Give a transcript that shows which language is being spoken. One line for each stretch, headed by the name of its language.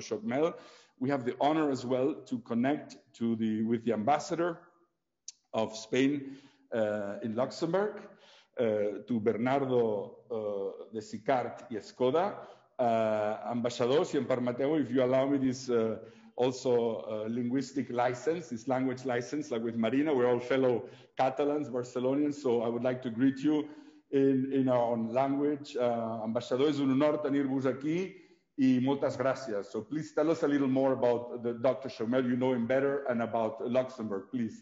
English: Schockmel, we have the honor as well to connect to the with the ambassador of Spain in Luxembourg, to Bernardo de Sicart y Escoda. Ambassador,
Catalan: si em permeteu,
English: if you allow me this also linguistic license, this language license, like with Marina, we're all fellow Catalans, Barcelonians, so I would like to greet you in our own language.
Catalan: Ambassador, es un honor tenir-vos aquí
Spanish: y muchas gracias.
English: So please tell us a little more about the Dr. Schockmel, you know him better, and about Luxembourg, please.